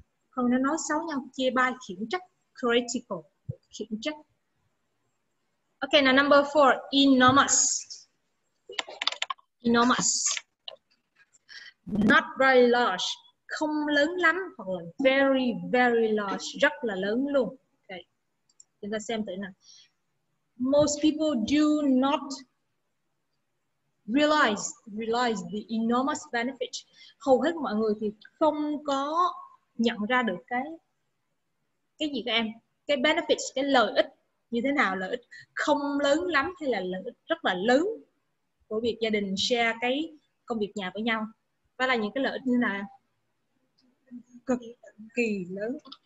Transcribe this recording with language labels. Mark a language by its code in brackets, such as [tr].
[vi] Không nên nói xấu nhau, chê bai, khiển trách. Critical, khiển trách. [en] Okay, now number four, enormous. Enormous. Not very large, [vi] không lớn lắm, hoặc là [en] very very large, [vi] rất là lớn luôn. Okay. Chúng ta xem thử nào. [en] Most people do not realize the enormous benefit. [vi] Hầu hết mọi người thì không có nhận ra được cái gì các em, cái benefits, cái lợi ích như thế nào, lợi ích không lớn lắm hay là lợi ích rất là lớn của việc gia đình share cái công việc nhà với nhau. Và là những cái lợi ích như là cực kỳ lớn.